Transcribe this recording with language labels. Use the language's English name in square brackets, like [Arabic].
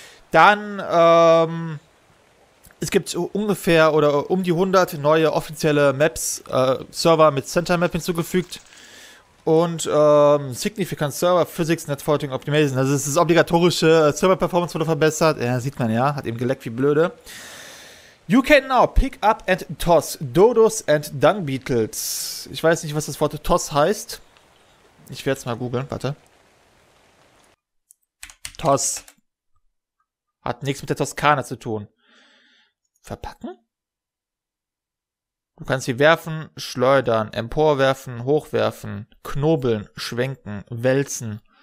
[German] Dann, es gibt ungefähr oder um die 100 neue offizielle Maps, Server mit Center Map hinzugefügt. [English] Und, Significant Server Physics Networking Optimization. [German] Das ist das obligatorische, Server Performance wurde verbessert. Ja, sieht man ja, hat eben geleckt wie blöde. [English] You can now pick up and toss dodos and dung beetles. [German] Ich weiß nicht, was das Wort toss heißt. Ich werde es mal googeln, warte. Toss. Hat nichts mit der Toskana zu tun. Verpacken? Du kannst sie werfen, schleudern, emporwerfen, hochwerfen, knobeln, schwenken, wälzen.